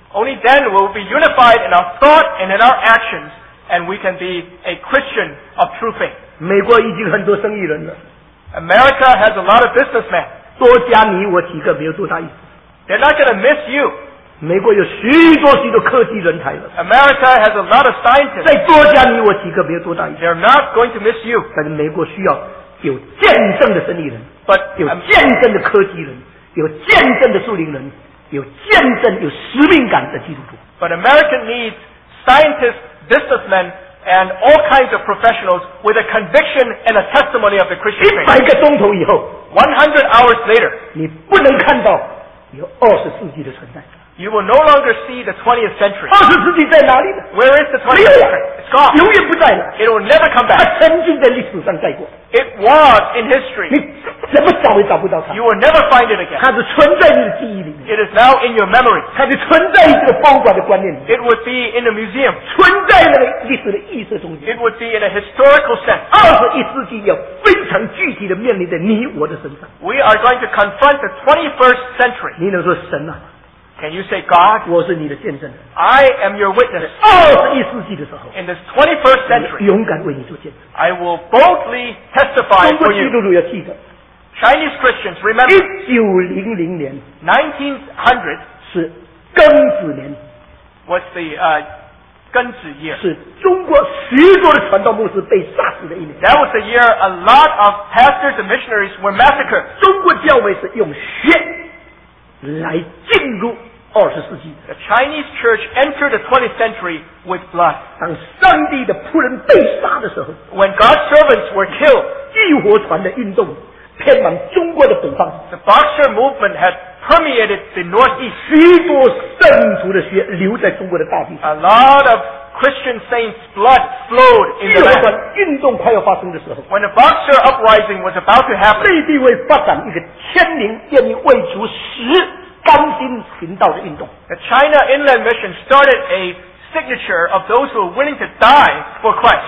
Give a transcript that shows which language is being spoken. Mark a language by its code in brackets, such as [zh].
[en] Only then we will be unified in our thought and in our actions, and we can be a Christian of true faith. [zh] 美国已经很多生意人了。 [en] America has a lot of businessmen. [zh] 多加你我几个，没有多大意思。 [en] They're not going to miss you. [zh] 美国有许多许多科技人才了。 [en] America has a lot of scientists. [zh] 再多加你我几个，没有多大意思。 [en] They're not going to miss you. [zh] 但是美国需要有见证的生意人， [en] But [zh] 有见证的科技人，有见证的属灵人，有见证有使命感的基督徒。But [en] America needs scientists, businessmen, and all kinds of professionals with a conviction and a testimony of the Christian faith. [zh] 100个钟头以后， [en] 100 hours later, [zh] 你不能看到 有二十世纪的存在。 [en] You will no longer see the 20th century. [zh] 二十世纪在哪里呢？ [en] Where is the 20th century? It's gone. [zh] 永远不在了。 [en] It will never come back. [zh] 它曾经在历史上在过。 [en] It was in history. [zh] 你怎么找也找不到它。 [en] You will never find it again. [zh] 它是存在你的记忆里面。 [en] It is now in your memory. [zh] 它是存在于这个包括的观念里面。 [en] It would be in a museum. [zh] 存在那个历史的意识中间。 [en] It would be in a historical sense. [zh] 二十一世纪要非常具体的面临在你我的身上。 [en] We are going to confront the 21st century. [zh] 你能说神啊？ [en] Can you say, God? [zh] 我是你的见证人。 [en] I am your witness. [zh] 21世纪的时候， [en] in this 21st century, [zh] 勇敢为你做见证。 [en] I will boldly testify for you. [zh] 中国基督徒要记得， [en] Chinese Christians, remember, [zh] 1900年， [en] 1900 [zh] 是庚子年， [en] was the 庚子year， [zh] 是中国许多的传道牧师被杀死的一年。 [en] That was the year a lot of pastors and missionaries were massacred. [zh] 中国教会是用血 [en] The Chinese church entered the 20th century with blood. [zh] 当上帝的仆人被杀的时候， [en] when God's servants were killed, [zh] 义和团的运动偏往中国的北方。 [en] The Boxer movement had permeated the Northeast. A lot of Christian saints' blood flowed in the land. When the Boxer Uprising was about to happen, the China Inland Mission started a signature of those who are willing to die for Christ.